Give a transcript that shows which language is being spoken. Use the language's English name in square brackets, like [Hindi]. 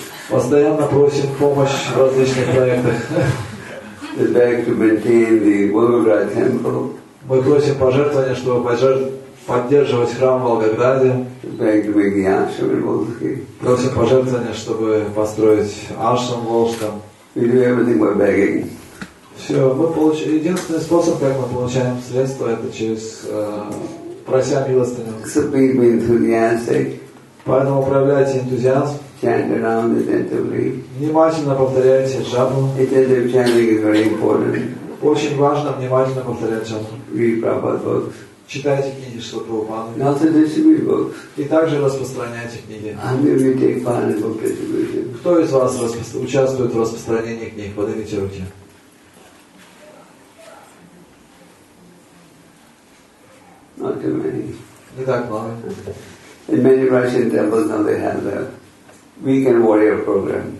[Russian] Постоянно просим помощь в различных проектах. [English] We beg to maintain the Волгоград temple. [Russian] Мы просим пожертвования, чтобы поддерживать храм в Волгограде. [English] We beg to make the ashram in Volsky. [Russian] Просим пожертвования, чтобы построить ашрам в Волжском. [English] We do everything by begging. [Russian] Все, мы получаем. Единственный способ, как мы получаем средства, это через прося милостыню. [English] So be enthusiastic. [Russian] Поэтому проявляйте энтузиазм. [English] Chant around attentively. [Russian] Внимательно повторяйте джапу. [English] Attentive chanting is very important. [Russian] Очень важно внимательно повторять джапу. [English] Read Prabhupada books. [Russian] Читайте книги Шрилы Прабхупады. [English] And also distribute books. [Russian] И также распространяйте книги. [English] And we will take part in book distribution. [Russian] Кто из вас участвует в распространении книг? Поднимите руки. [English] Not too many. [Russian] Не так много. [English] In many Russian temples now they have a weekend warrior program.